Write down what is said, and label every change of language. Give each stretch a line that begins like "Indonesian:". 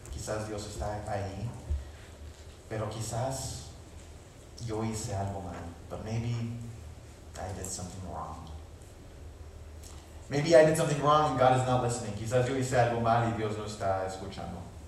Spanish: Quizás Dios está ahí, pero quizás yo hice algo mal.
English: But maybe I did something wrong. Maybe I did something wrong and God is not listening.
Spanish: Quizás yo hice algo mal y Dios no está escuchando.